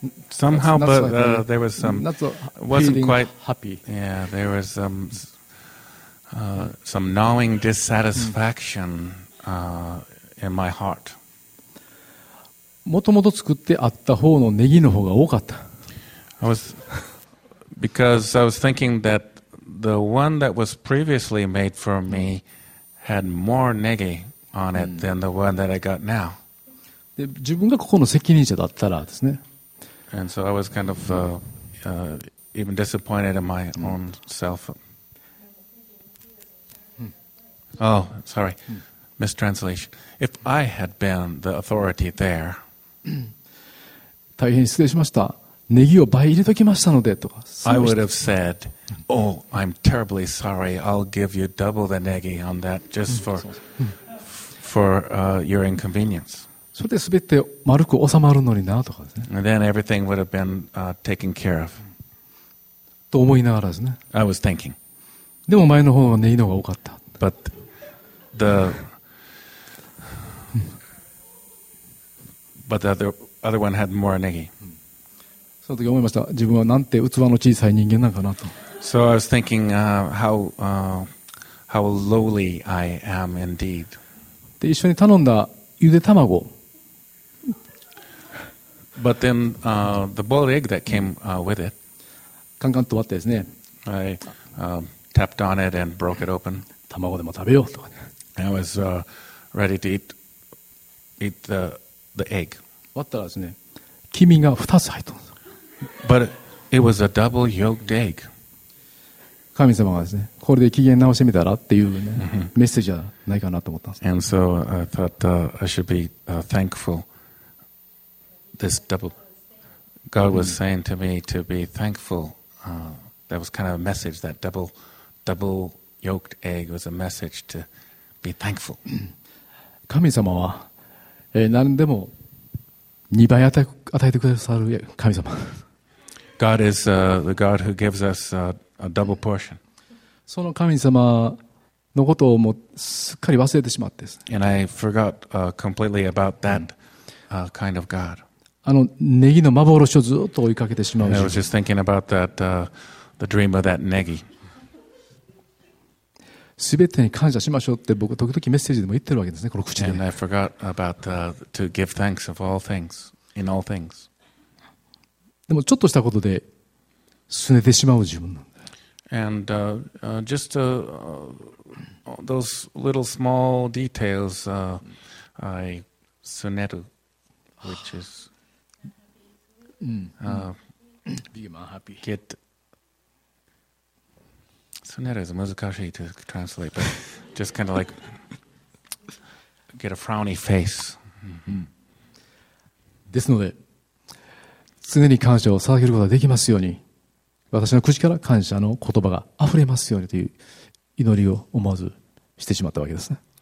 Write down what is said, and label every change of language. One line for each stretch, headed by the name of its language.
English: somehow, but there was some wasn't quite happy. Yeah, there was some gnawing dissatisfaction in my heart.
Japanese: もともと作ってあった方のネギの方が多かった。
English: Because I was thinking that the one that was previously made for me had more negi on it than the one that I got now.
Japanese: で、自分がここの責任者だったらですね。
English: And so I was kind of even disappointed in my own self. Oh, sorry, mistranslation. If I had been the authority there.
Japanese: 大変失礼しました。ネギを倍入れときましたのでとか。
English: I would have said, "Oh, I'm terribly sorry. I'll give you double the negi on that just for your inconvenience."
Japanese: それで全て丸く収まるのになとかですね。
English: And then everything would have been taken care of.
Japanese: と思いながらですね。
English: I was thinking.
Japanese: でも前の方がネギの方が多かった。
English: But the But the other one had more negi.
Japanese: その時思いました。自分はなんて器の小さい人間なんかなと。
English: So I was thinking how lowly I am indeed.
Japanese: で一緒に頼んだゆで卵。
English: But then the boiled egg that came with it.
Japanese: カンカンと割ってですね。
English: I tapped on it and broke it open.
Japanese: 卵でも食べようと。
English: I was ready to eat the egg.
Japanese: 割ったらですね、黄身が2つ入ったんです。
English: But it was a double yolked egg.
Japanese: 神様がですね、これで機嫌直してみたらっていう、ね、メッセージじゃないかなと思ったんです。
English: And so I thought I should be thankful. This double God was saying to me to be thankful. That was kind of a message. That double yolked egg was a message to be thankful.
Japanese: 神様は、何でも2倍与えてくださる神様。
English: God is the God who gives us a double portion.
Japanese: その神様のことをもうすっかり忘れてしまって。
English: And I forgot completely about that kind of God.
Japanese: あのネギの幻をずっと追いかけてしまう。
English: I was just thinking about that the dream of that Negi.
Japanese: すべてに感謝しましょうって僕時々メッセージでも言ってるわけですね、この口で。
English: And I forgot about to give thanks of all things, in all things.
Japanese: でもちょっとしたことで拗ねてしまう自分なんだ。
English: And just those little small details I 拗ねる which is I'm happy. Get 拗ねる is
Japanese: 難しい
English: to translate, but just kind of like get a frowny face.
Japanese: ですので常に感謝を捧げることができますように、私の口から感謝の言葉があふれますようにという祈りを思わずしてしまったわけですね。